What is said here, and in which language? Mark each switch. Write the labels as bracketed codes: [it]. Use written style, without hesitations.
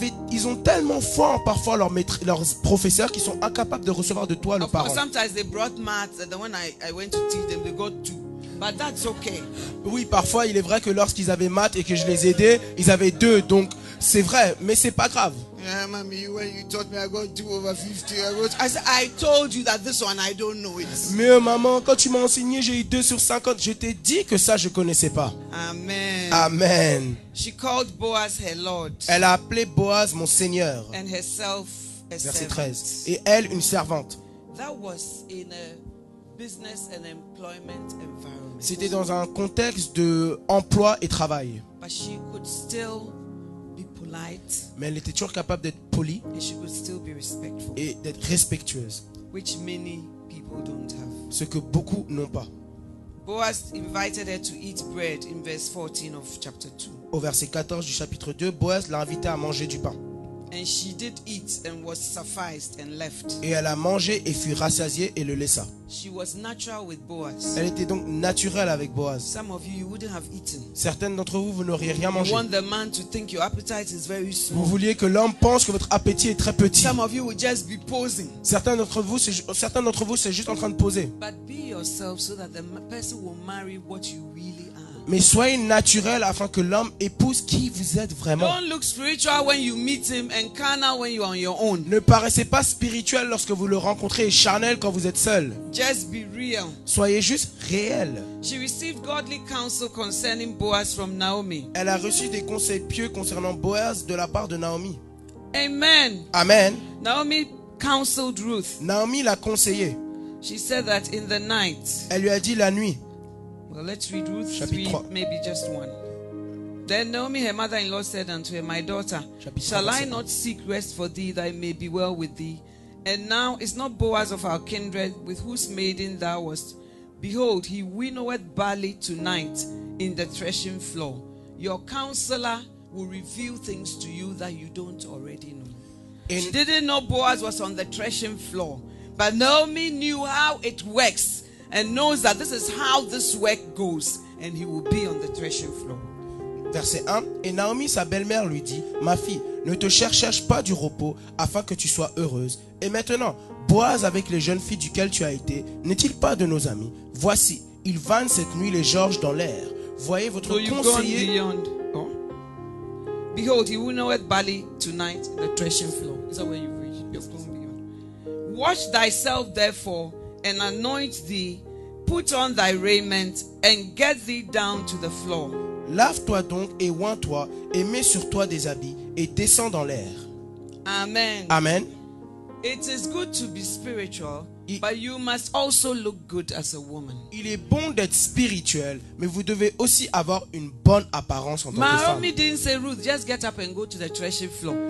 [fr] Ils ont tellement foi en parfois leurs professeurs qu'ils sont incapables de recevoir de toi le parent. [en] Sometimes they brought maths, and when I went to teach them, they got two. But that's okay. [fr] Oui, parfois il est vrai que lorsqu'ils avaient maths et que je les aidais, ils avaient deux. Donc c'est vrai, mais c'est pas grave. [en] Yeah, mommy, when you taught me, I got two over 50. I told you that this one, I don't know it. [fr] Mais maman, quand tu m'as enseigné, j'ai eu 2/50. Je t'ai dit que ça, je connaissais pas. [en] Amen. [fr] Amen. [en] She called Boaz her Lord. [fr] Elle a appelé Boaz mon Seigneur. [en] And herself [fr] verset 13. Et elle, une servante. [en] That was in a business and employment environment. [fr] C'était dans un contexte de emploi et travail. [en] But she could still be polite. [fr] Mais elle était toujours capable d'être polie. [en] And she could still be respectful. [fr] Et d'être respectueuse. [en] Which many people don't have. [fr] Ce que beaucoup n'ont pas. [en] Boaz invited her to eat bread in verse 14 of chapter 2. [fr] Au verset 14 du chapitre 2, Boaz l'a invitée à manger du pain. [en] And she did eat and was sufficed and left. [fr] Et elle a mangé et fut rassasiée et le laissa. [en] She was natural with Boaz. [fr] Elle était donc naturelle avec Boaz. [en] Some of you wouldn't have eaten. [fr] Certaines d'entre vous, vous n'auriez rien mangé. [en] You want the man to think your appetite is very small. [fr] Vous vouliez que l'homme pense que votre appétit est très petit. [en] Some of you would just be posing. [fr] Certains d'entre vous, c'est juste en train de poser. [en] But be yourself so that the person will marry what you really are. [fr] Mais soyez naturel afin que l'homme épouse qui vous êtes vraiment. [en] Don't look spiritual when you meet him and carnal when you are on your own. [fr] Ne paraissez pas spirituel lorsque vous le rencontrez et charnel quand vous êtes seul. [en] Just be real. [fr] Soyez juste réel. [en] She received godly counsel concerning Boaz from Naomi. [fr] Elle a reçu des conseils pieux concernant Boaz de la part de Naomi. [en] Amen. [fr] Amen. [en] Naomi counseled Ruth. [fr] Naomi l'a conseillé. [en] She said that in the night. [fr] Elle lui a dit la nuit. [en] Let's read Ruth 3, maybe just one. Then Naomi, her mother-in-law, said unto her, My daughter, shall I not seek rest for thee, that it may be well with thee? And now is not Boaz of our kindred, with whose maiden thou wast? Behold, he winnoweth barley tonight in the threshing floor. Your counselor will reveal things to you that you don't already know. She didn't know Boaz was on the threshing floor, but Naomi knew how it works. And knows that this is how this work goes, and he will be on the threshing floor. [fr] Verset 1. Et Naomi, sa belle-mère, lui dit, Ma fille, ne te cherche pas du repos, afin que tu sois heureuse. Et maintenant, Boaz avec les jeunes filles duquel tu as été, n'est-il pas de nos amis? Voici, ils vannent cette nuit les georges dans l'air. Voyez votre conseiller. [en] Behold, he will know at Bali tonight the threshing floor. Is that where you reach? You're going beyond. Watch thyself, therefore. And anoint thee, put on thy raiment, and get thee down to the floor. [fr] Lave-toi donc et oins-toi, et mets sur toi des habits, et descends dans l'air. [en] Amen. [fr] Amen. [en] It is good to be spiritual, but you must also look good as a woman. [fr] Il est bon d'être spirituel, mais vous devez aussi avoir une bonne apparence en tant que femme. [en] Naomi didn't say, Ruth, just get up and go to the threshing floor.